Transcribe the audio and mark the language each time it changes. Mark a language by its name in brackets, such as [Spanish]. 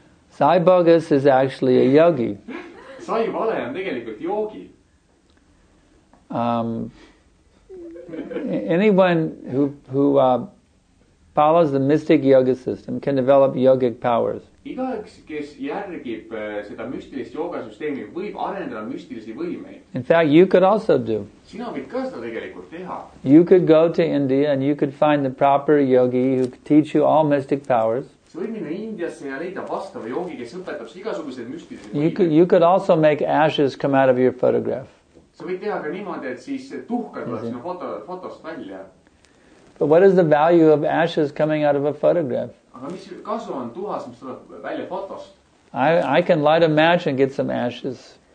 [English] Sai Bogus is actually a yogi. [Estonian] Sai Vale on tegelikult joogi. [English] Anyone who follows the mystic yoga system can develop yogic powers. [Estonian] Igaüks, kes järgib seda müstilist joogasüsteemi, võib arendada müstilisi võimeid. [English] In fact, you could also do. [Estonian] Sina võid ka seda tegelikult teha. [English] You could go to India and you could find the proper yogi who could teach you all mystic powers. [Estonian] Sa võid minna Indiasse ja leida vastava joogi, kes õpetab igasugused müstilised võimeid. [English] You could also make ashes come out of your photograph. [Estonian] Sa võid teha ka niimoodi, et siis tuhkad tuleb sinu fotost välja. [English] But what is the value of ashes coming out of a photograph? I can light a match and get some ashes.